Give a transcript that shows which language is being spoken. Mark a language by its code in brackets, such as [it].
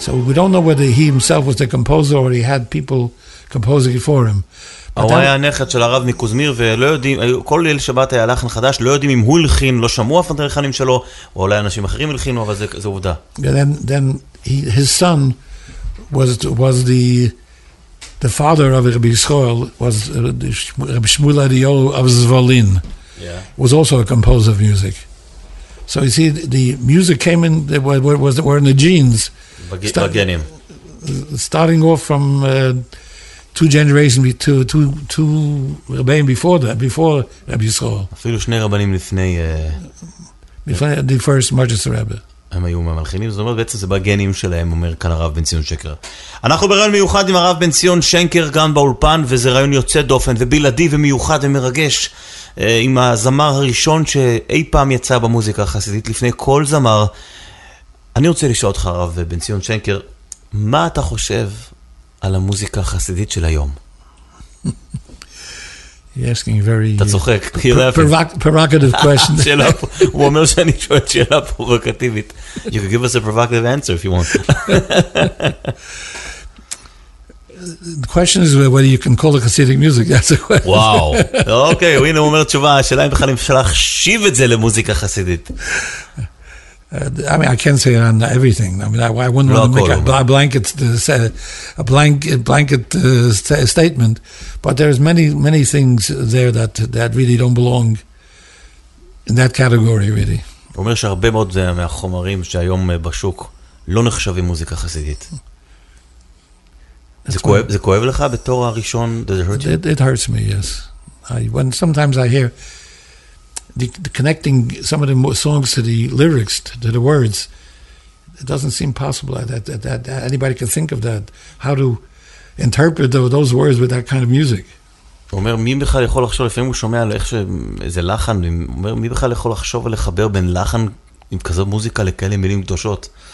[en] So we don't know whether he himself was the composer or he had people composing for him. [he] הוא היה הנכד של הרב מקוזמיר, ולא יודעים, כל ליל שבת היה לחן חדש, לא יודעים אם הוא הלחין, לא שמעו הפנטריכנים שלו, או אולי אנשים אחרים הלחינו, אבל זה עובדה. [en] Then his son was the father of Rabbi Yisrael, was Rabbi Shmuel Adiyahu of Zvolin, was also a composer of music. So you see, the music came in, were in the genes. [he] בגנים. [en] Starting off from... two generations two rabbeim before Rabbi Yisrael. [he] אפילו שני רבנים לפני [en] the first Mojitz Rebbe. [he] הם היו מהמלחינים, זאת אומרת בעצם זה בגנים שלהם, אומר כאן הרב בן ציון שנקר. אנחנו ברעיון מיוחד עם הרב בן ציון שנקר גם באולפן, וזה רעיון יוצא דופן ובלעדי ומיוחד ומרגש, עם הזמר הראשון שאי פעם יצא במוזיקה החסידית לפני כל זמר. אני רוצה לשאול אותך הרב בן ציון שנקר, מה אתה חושב על המוזיקה החסידית של היום? אתה צוחק. [en] Provocative question. [he] הוא אומר שאני שואל שאלה פרובוקטיבית. [en] You can give us a provocative answer if you want. The question is whether you can call it Hasidic music. That's a question. [he] וואו. אוקיי, הוא הנה אומר תשובה. השאלה אם בכלל אפשר להחשיב את זה למוזיקה חסידית. [en] I mean, I can't say it on everything. I mean, I wouldn't want to make a blanket statement. But there's many, many things there that really don't belong in that category, really. [he] אומר שהרבה מאוד מהחומרים שהיום בשוק לא נחשבים מוזיקה חסידית. זה כואב לך בתור הראשון? [en] It hurts me, yes. Sometimes I hear the connecting some of the songs to the lyrics, to the words. It doesn't seem possible that anybody can think of that. How to interpret those words with that kind of music. [he] הוא אומר, מי בכלל יכול לחשוב, לפעמים הוא שומע על איך שזה לחן, הוא אומר, מי בכלל יכול לחשוב ולחבר בין לחן עם כזו מוזיקה לכאלה מילים קדושות?